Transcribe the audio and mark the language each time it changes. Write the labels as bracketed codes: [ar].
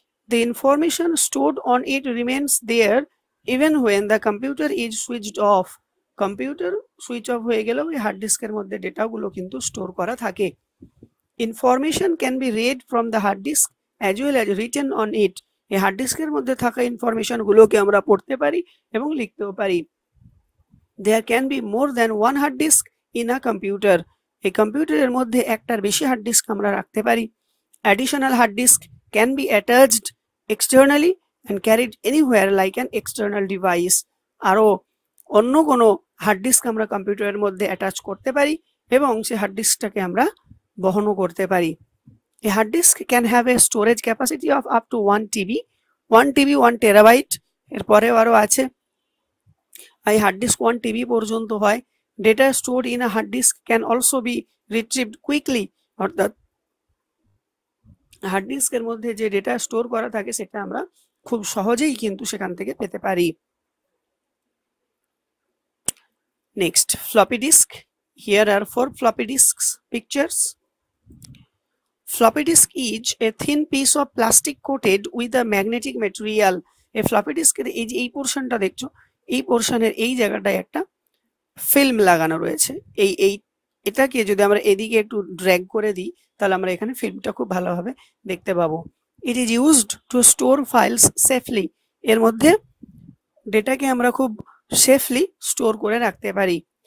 [en] The information stored on it remains there even when the computer is switched off. [bn] Computer switch off হয়ে গেলেও ওই hard ডিস্কের মধ্যে ডেটাগুলো কিন্তু স্টোর করা থাকে। [en] Information can be read from the hard disk as well as written on it. [bn] এই hard ডিস্কের মধ্যে থাকা ইনফরমেশনগুলোকে আমরা পড়তে পারি এবং লিখতেও পারি। [en] There can be more than one hard disk in a computer. A computer [bn] মধ্যে একটার বেশি হার্ড ডিস্ক আমরা রাখতে পারি. [en] Additional hard disk can be attached externally and carried anywhere like an external device. [bn] আরো অন্য কোন হার্ড ডিস্ক আমরা কম্পিউটারের মধ্যে অ্যাটাচ করতে পারি এবং সেই হার্ড ডিস্কটাকে আমরা বহনও করতে পারি. [en] A hard disk can have a storage capacity of up to 1 TB, 1 TB, 1 TB. [bn] এর পরে আরো আছে, এই হার্ড ডিস্ক 1 TB পর্যন্ত হয়। [en] Data stored in a hard disk can also be retrieved quickly. [bn] অর্থাৎ হার্ড ডিস্কের মধ্যে যে ডেটা স্টোর করা থাকে সেটা আমরা খুব সহজেই কিন্তু সেখান থেকে পেতে পারি। [en] Next, floppy disk. Here are 4 floppy disks pictures. Floppy disk is a thin piece of plastic coated with a magnetic material. [bn] A floppy disk এর এই যে এই পোরশনটা দেখছো, এই পোরশনের এই জায়গাটায় একটা ফিল্ম লাগানো রয়েছে। এই এই এটাকে যদি আমরা এদিকে একটু ড্র্যাগ করে দিই তাহলে আমরা এখানে ফিল্মটা খুব ভালোভাবে দেখতে পাবো। [en] It is used to store files safely. [bn] এর মধ্যে ডেটাকে আমরা খুব সেফলি স্টোর করে রাখতে পারি।